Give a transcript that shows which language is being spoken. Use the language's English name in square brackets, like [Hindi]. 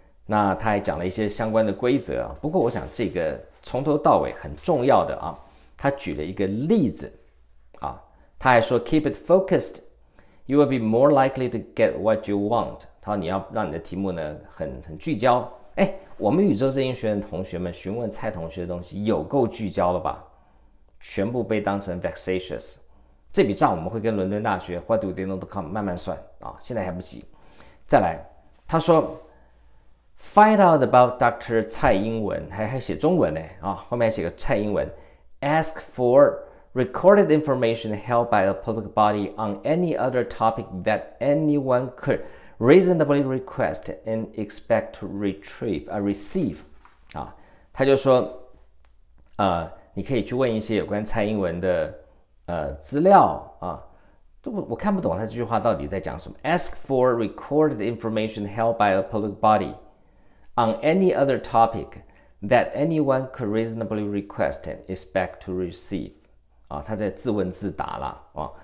[Chinese] 那他还讲了一些相关的规则，不过我想这个从头到尾很重要的啊，他举了一个例子啊，他还说 [English] keep it focused you will be more likely to get what you want， [Chinese] 他说你要让你的题目呢很聚焦，哎，我们宇宙经济学院同学们询问蔡同学的东西有够聚焦了吧，全部被当成 vexatious， 这笔账我们会跟伦敦大学 what do they know.com 慢慢算啊，现在还不急。再来他说 [English] Find out about Dr. [Chinese] 蔡英文，还写中文呢啊，后面还写个蔡英文。 [English] Ask for recorded information held by a public body on any other topic that anyone could reasonably request and expect to retrieve or receive [Chinese] 啊，他就说，你可以去问一些有关蔡英文的资料啊。我看不懂他这句话到底在讲什么。 [English] Ask for recorded information held by a public body。 On any other topic that anyone could reasonably request and expect to receive， [Chinese] 啊，他在自问自答了啊。